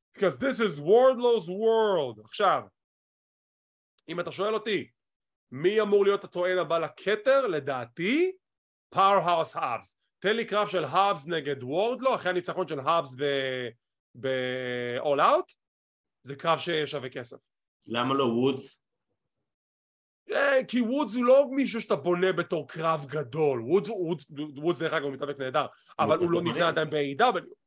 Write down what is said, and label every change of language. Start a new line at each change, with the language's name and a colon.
English: Because this is Wardlow's world.
Hebrew: עכשיו, אם אתה שואל אותי, מי אמור להיות הטוען הבא לכתר? לדעתי, Powerhouse Hubs. תן לי קרב של Hubs נגד Wardlow, אחרי הניצחון של Hubs ב-All Out, זה קרב ששווה כסף. למה לא Woods? כי Woods הוא לא מישהו שאתה בונה בתור קרב גדול. Woods דרך אגב הוא מתאבק נהדר, אבל הוא לא נבנה עדיין ב-AEW.